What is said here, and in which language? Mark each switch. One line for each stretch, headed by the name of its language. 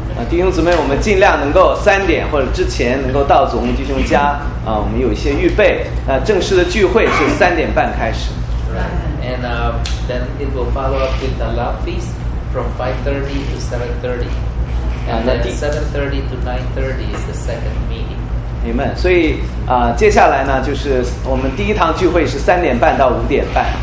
Chinese: 弟兄姊妹，我们尽量能够三点或者之前能够到祖宏弟兄家我们有一些预备。正式的聚会是3:30开始。
English: Right. And then it will follow up with the love feast from 5:30 to 7:30. And then 7:30 to 9:30 is the second meeting. Amen.
Chinese: 所以接下来呢，就是我们第一堂聚会是3:30 to 5:30。